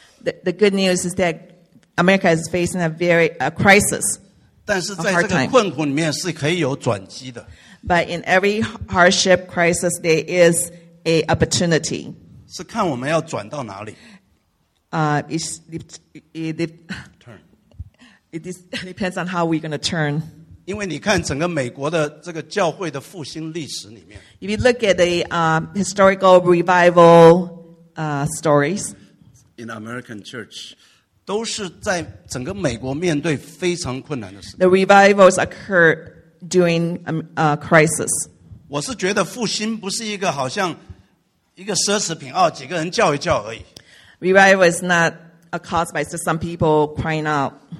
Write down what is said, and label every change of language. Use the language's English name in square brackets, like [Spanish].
[English] The good news is that America is facing a crisis. [Chinese] 但是在这个困苦里面是可以有转机的。 [English] But in every hardship crisis, there is an opportunity. [Chinese] 是看我们要转到哪里。 [English] It depends on how we're going to turn. [Chinese] 因为你看整个美国的这个教会的复兴历史里面。 [English] If you look at the historical revival stories. In American church. [Chinese] 都是在整个美国面对非常困难的事。 [English] The revivals occur during a crisis. [Chinese] 我是觉得复兴不是一个好像一个奢侈品哦，几个人叫一叫而已。 [English] Revival is not a cause by just some people crying out.